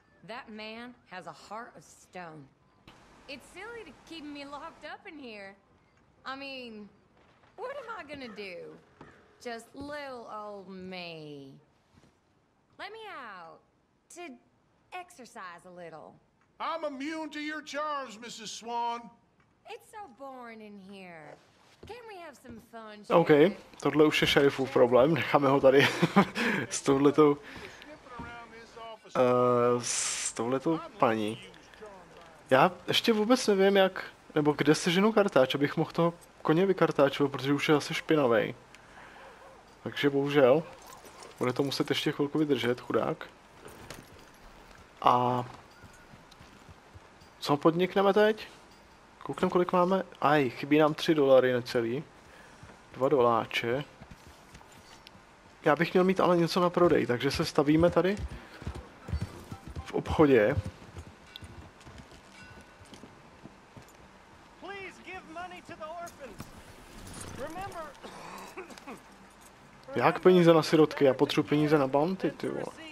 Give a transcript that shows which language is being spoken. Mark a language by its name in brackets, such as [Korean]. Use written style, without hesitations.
[English] That man has a heart of stone. It's silly to keep me locked up in here. I mean, what am I gonna do? Just little old me. Let me out to exercise a little. I'm immune to your charms, Mrs. Swan. It's so boring in here. Can we have some fun? [Czech] OK, tohle už je šerifův problém. Necháme ho tady s touhletou... s touhletou paní. Já ještě vůbec nevím, jak... nebo kde seženu kartáč, abych mohl toho koně vykartáčovat, protože už je asi špinavej. Takže bohužel. Bude to muset ještě chvilku vydržet, chudák. A... co podnikneme teď? Kouknem, kolik máme? Aj, chybí nám $3 necelý. $2. Já bych měl mít ale něco na prodej, takže se stavíme tady. V obchodě. [English] Please give money to the orphans. Remember. [Czech] Jak peníze na sirotky? Já potřebuji peníze na bounty, ty vole.